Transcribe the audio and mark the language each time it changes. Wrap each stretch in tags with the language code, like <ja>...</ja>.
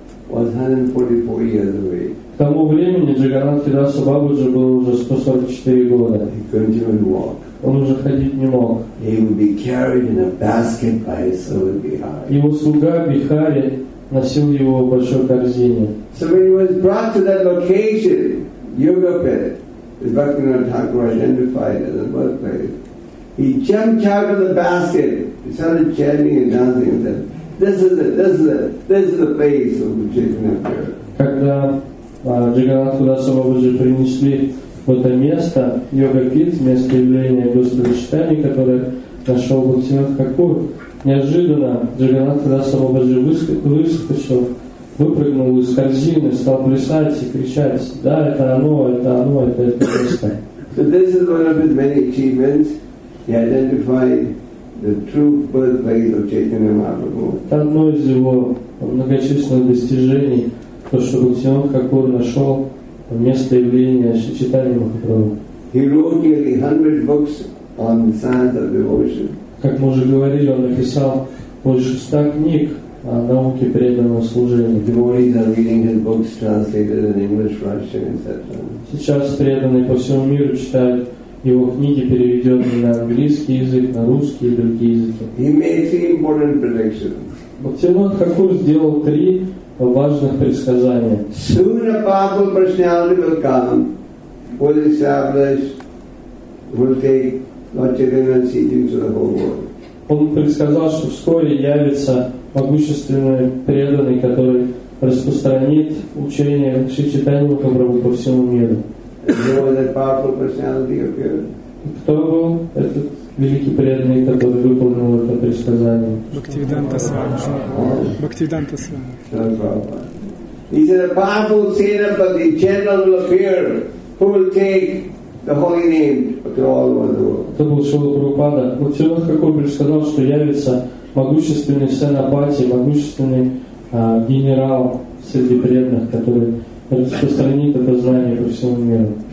<ru>Бабаджи. К тому времени Джагандханаса Дасу Бабаджи был уже 144 года.</ru> <en>He couldn't even walk.</en> <ru>Он уже ходить не мог.</ru> <en>He would be carried in a basket by his servant Bihari.</en> <ru>Его слуга Бихари носил его в большой корзине.</ru> <en>So when he was brought to that location, Yogapet, as Bhaktivinoda Thakur identified as a birthplace, he jumped out of the basket, he started chanting and dancing and said, this is it, this is it, this is the place of the Chaitanya Spirit.</en> <ru>Когда Джагандханаса Дасу Бабаджи принесли в это место, Йогапит, место явления Господа Чайтаньи, которое нашел Бхактивинода Такур, неожиданно Джагандханаса Дасу Бабаджи выскочил, выпрыгнул из корзины, стал плясать и кричать: да, это оно, это оно, это место.</ru> <en>So this is one of his many achievements. He identified the true birthplace of Chaitanya Mahaprabhu.</en> <ru>Это одно из его многочисленных достижений, то, что Бхактивинода Такур нашел место явления Шри Чайтаньи Махапрабху.</ru> <en>He wrote nearly 100 books on the science of devotion.</en> <ru>Как мы уже говорили, он написал больше 100 книг о науке преданного служения.</ru> <en>Devotees are reading his books translated in English, Russian, etc.</en> <ru>Сейчас преданные по всему миру читают его книги, переведенные на английский язык, на русский и другие языки.</ru> <en>He made three important predictions.</en> <ru>Бхактивинода Такур сделал три важных предсказаний.</ru> <en>Soon a powerful personality will come, will establish, will take Lord Chaitanya's teachings to the whole world.</en> <ru>Он предсказал, что вскоре явится могущественный преданный, который распространит учение Шри Чайтаньи Махапрабху по всему миру. Кто был этот великий преданный, который выполнил это предсказание? Бхактивиданта Свами.</ru> <en>He said, a powerful sinner, but the general will appear, who will take the holy name to all over the world.</en> <ru>Это был Шрила Прабхупада. Бхактивинода Такур предсказал, что явится могущественный сенапати, могущественный генерал среди преданных, который распространит это знание по всему миру.</ru>